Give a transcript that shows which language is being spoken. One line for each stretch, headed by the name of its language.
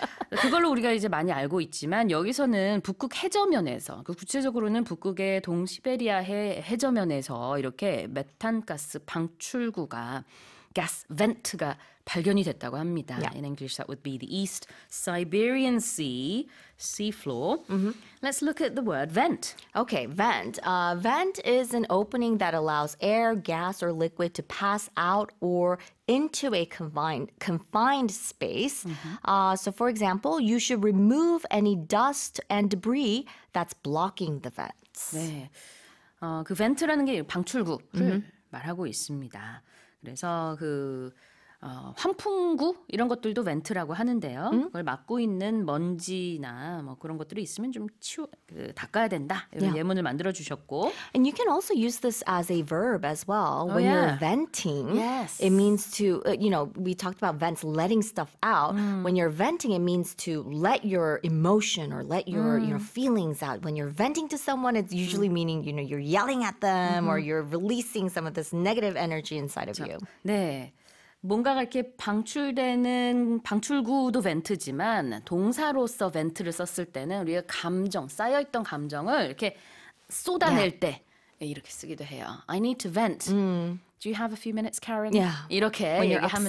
Korean: 그걸로 우리가 이제 많이 알고 있지만 여기서는 북극 해저면에서 그 구체적으로는 북극의 동시베리아 해저면에서 이렇게 메탄가스 방출구가 gas vent가 발견이 됐다고 합니다.
English: Yeah. In English, that would be the East Siberian Sea seafloor. Mm-hmm. Let's look at the word vent. Okay, vent. Vent is an opening that allows air, gas, or liquid to pass out or into a confined space. Mm-hmm. So for example, you should remove any dust and debris that's blocking the vents.
Korean: 네. 그 vent라는 게 방출구를 말하고 있습니다. 그래서 그 환풍구 이런 것들도 vent라고 하는데요. 그걸 막고 있는 먼지나 뭐 그런 것들이 있으면 좀 닦아야 된다. 이런
English: yeah.
Korean: 예문을 만들어 주셨고.
English: And you can also use this as a verb as well when oh, yeah. you're venting. Yes. It means to, you know, we talked about vents, letting stuff out. When you're venting, it means to let your emotion or let your you know, feelings out. When you're venting to someone, it's usually meaning, you know, you're yelling at them or you're releasing some of this negative energy inside of you.
Korean: 네. 뭔가가 이렇게 방출되는 방출구도 vent지만 동사로서 vent를 썼을 때는 우리가 감정, 쌓여있던 감정을 이렇게 쏟아낼
English: yeah.
Korean: 때 이렇게 쓰기도 해요.
English: I need to vent. Do you have a few minutes, Karen? Yeah.
Korean: 이렇게 얘기하면